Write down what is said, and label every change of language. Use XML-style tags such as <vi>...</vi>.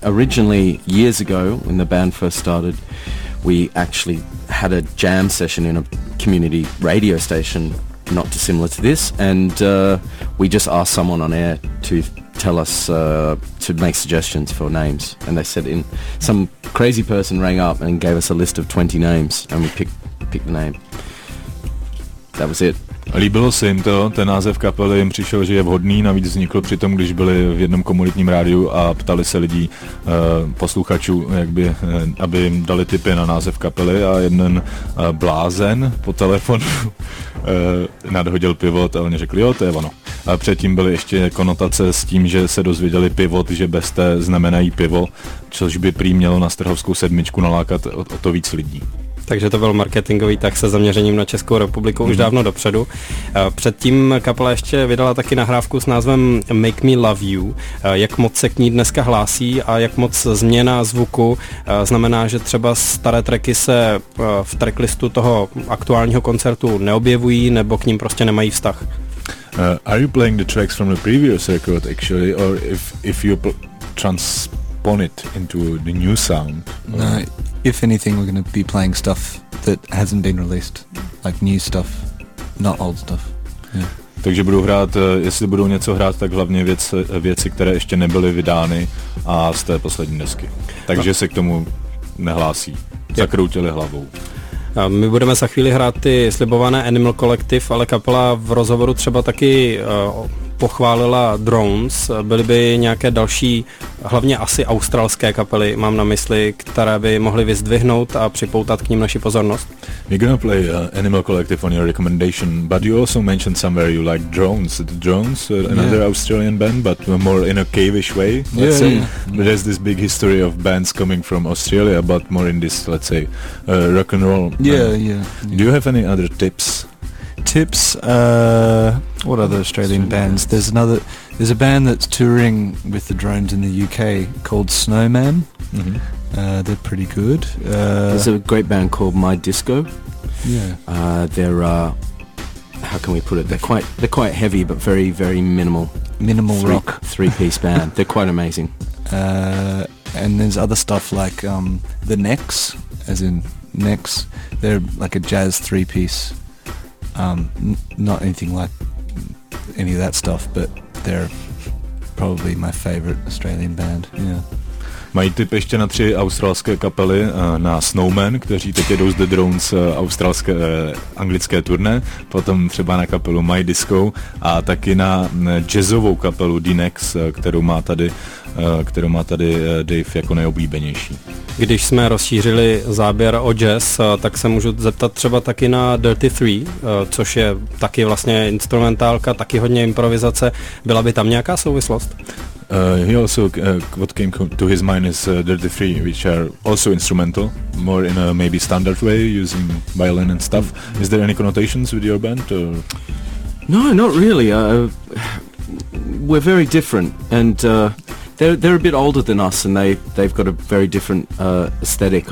<en>Originally, years ago, when the band first started, we actually had a jam session in a community radio station not dissimilar to this, and we just asked someone on air to tell us to make suggestions for names, and they said in some crazy person rang up and gave us a list of 20 names, and we picked the name. That was it.</en> <cs>Líbilo se jim to, ten název kapely jim přišel, že je vhodný, navíc vznikl při tom, když byli v jednom komunitním rádiu a ptali se lidí, posluchačů, aby jim dali tipy na název kapely, a jeden blázen po telefonu nadhodil Pivot a oni řekli, jo, to je ono. A předtím byly ještě konotace s tím, že se dozvěděli Pivot, že bez té znamenají pivo, což by prý mělo na Strhovskou sedmičku nalákat o to víc lidí. Takže to byl marketingový tah se zaměřením na Českou republiku už dávno dopředu. Předtím kapela ještě vydala taky nahrávku s názvem Make Me Love You. Jak moc se k ní dneska hlásí a jak moc změna zvuku znamená, že třeba staré tracky se v tracklistu toho aktuálního koncertu neobjevují nebo k ním prostě nemají vztah?</cs> <en>Are you playing the tracks from the previous record actually, or if you transpon it into the new sound? If anything, we're going to be playing stuff that hasn't been released, like new stuff, not old stuff. Yeah.</en> <cs>Takže budu hrát, jestli budu něco hrát, tak hlavně věci, které ještě nebyly vydány a z té poslední desky. Takže se k tomu nehlásí. Zakroutili hlavou. My budeme za chvíli hrát ty slibované Animal Collective, ale kapela v rozhovoru třeba taky pochválila Drones. Byly by nějaké další, hlavně asi australské kapely, mám na mysli, které by mohly vyzdvihnout a připoutat k ním naši pozornost?</cs> <en>We're gonna play Animal Collective on your recommendation, but you also mentioned somewhere you like Drones. The Drones, another Australian band, but more in a cave-ish way, let's say. Yeah. There's this big history of bands coming from Australia, but more in this, let's say, rock and roll. Yeah. Do you have any other tips? What other Australian bands? There's a band that's touring with the Drones in the UK called Snowman. Mm-hmm. They're pretty good. There's a great band called My Disco. Yeah. How can we put it? They're quite heavy, but very, very minimal. Minimal three, rock. Three-piece band. They're quite amazing. And there's other stuff like The Necks, as in Necks. They're like a jazz three-piece. Not anything like any of that stuff, but they're probably my favorite Australian band. Yeah.</en> <cs>Mají tip ještě na tři australské kapely, na Snowman, kteří teď jedou z The Drones australské anglické turné, potom třeba na kapelu My Disco a taky na jazzovou kapelu The Necks, kterou má tady Dave jako nejoblíbenější. Když jsme rozšířili záběr o jazz, tak se můžu zeptat třeba taky na Dirty Three, což je taky vlastně instrumentálka, taky hodně improvizace. Byla by tam nějaká souvislost?</cs> <en>He also what came to his mind is Dirty Three, which are also instrumental, more in a maybe standard way, using violin and stuff. Is there any connotations with your band? Or? No, not really. We're very different, and they're a bit older than us, and they've got a very different aesthetic.</en>